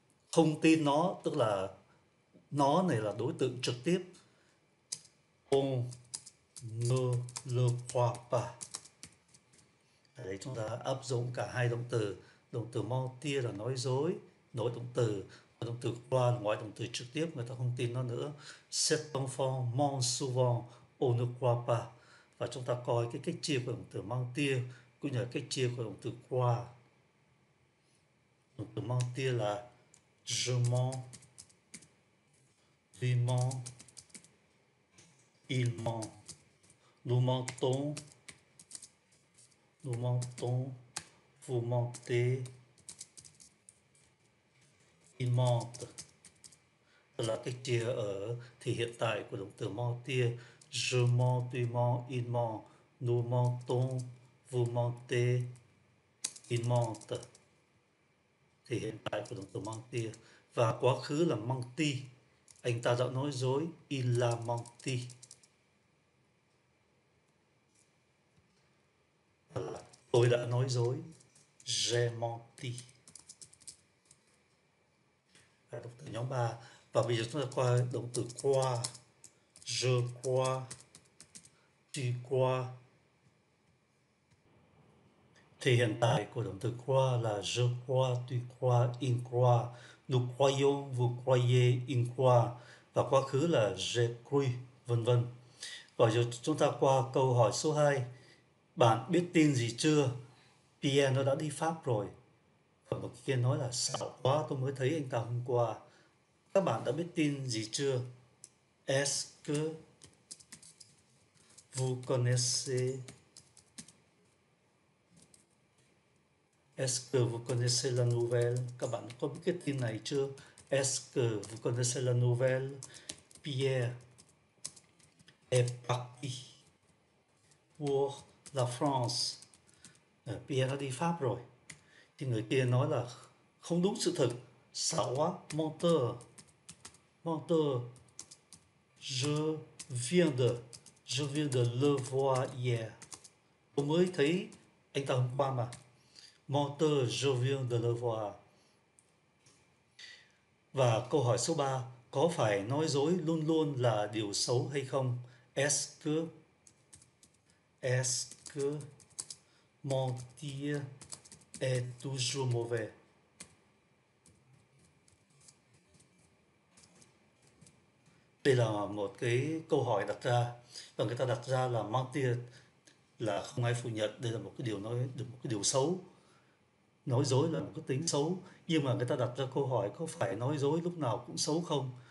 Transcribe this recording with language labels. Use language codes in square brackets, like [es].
[vi] Không tin nó tức là nó này là đối tượng trực tiếp. [fr] On ne le croit pas. [vi] Ở đây chúng ta áp dụng cả hai động từ. Động từ mentir là nói dối, nội động từ. Động từ croire là ngoại động từ trực tiếp, người ta không tin nó nữa. [fr] Cet enfant ment souvent, on ne croit pas. [vi] Và chúng ta coi cái cách chia của động từ mentir cũng như là cách chia của động từ croire. Động từ mentir là [fr] je mens, lui ment, il ment, nous mentons, vous mentez, il ment. [vi] Đó là cách chia ở thì hiện tại của động từ mentir. [fr] Je mens, lui ment, il ment, nous mentons, vous mentez, il ment. [vi] Thì hiện tại của động từ mentir, và quá khứ là menti, anh ta đã nói dối, [fr] il a menti. [vi] là tôi đã nói dối. [fr] J'ai menti. [vi] Đọc từ nhóm 3. Và bây giờ chúng ta qua động từ qua. [fr] Je crois. Tu crois. [vi] Thì hiện tại của động từ qua là [fr] je crois, tu crois, il croit. Nous croyons, vous croyez, il croit. [vi] Và quá khứ là [fr] j'ai cru, [vi] vân vân. Và giờ chúng ta qua câu hỏi số 2. Bạn biết tin gì chưa? Pierre nó đã đi Pháp rồi. Và một kia nói là xạo quá, tôi mới thấy anh ta hôm qua. Các bạn đã biết tin gì chưa? [fr] Est-ce que vous connaissez? Est-ce que vous connaissez la nouvelle? [vi] Các bạn có biết cái tin này chưa? [fr] Est-ce que vous connaissez la nouvelle? Pierre est parti pour la France. [vi] Pierre đã đi Pháp rồi. Thì người kia nói là không đúng sự thật. Xạo quá. [fr] Menteur. Menteur. Je viens de le voir hier. [vi] Tôi mới thấy anh ta hôm qua mà. [fr] Menteur, je viens de le voir. [vi] Và câu hỏi số 3, có phải nói dối luôn luôn là điều xấu hay không? [fr] Est-ce que mentir est toujours mauvais? [vi] Đây là một cái câu hỏi đặt ra, và người ta đặt ra là mentir là không ai phủ nhận, đây là một cái điều nói được một cái điều xấu. Nói dối là một cái tính xấu, nhưng mà người ta đặt ra câu hỏi có phải nói dối lúc nào cũng xấu không?